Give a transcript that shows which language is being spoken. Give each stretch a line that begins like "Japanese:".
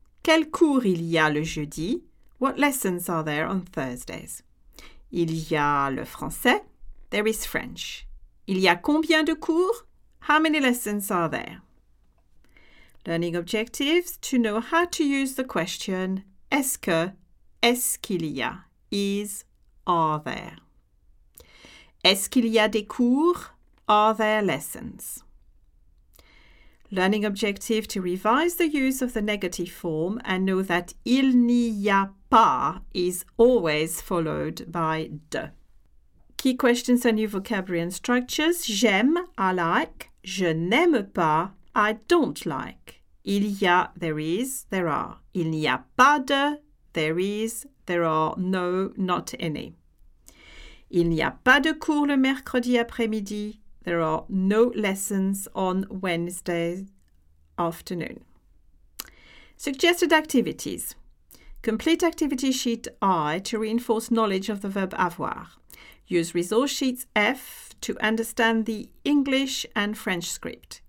French: Quel cours il y a le jeudi?
English: What lessons are there on Thursdays?
French: Il y a le français.
English: There is French.
French: Il y a combien de cours?
English: How many lessons are there? Learning objectives, to know how to use the question
French: est-ce que, est-ce qu'il y a,
English: is, are there.
French: Est-ce qu'il y a des cours,
English: are there lessons. Learning objective, to revise the use of the negative form and know that
French: il n'y a pas
English: is always followed by de. Key questions on new vocabulary and structures. J'aime, I like.
French: Je n'aime pas,
English: I don't like.
French: Il y a,
English: there is, there are.
French: Il n'y a pas de,
English: there is, there are, no, not any.
French: Il n'y a pas de cours le mercredi après-midi.
English: There are no lessons on Wednesday afternoon. Suggested activities. Complete activity sheet I to reinforce knowledge of the verb avoir. Use resource sheets F to understand the English and French script.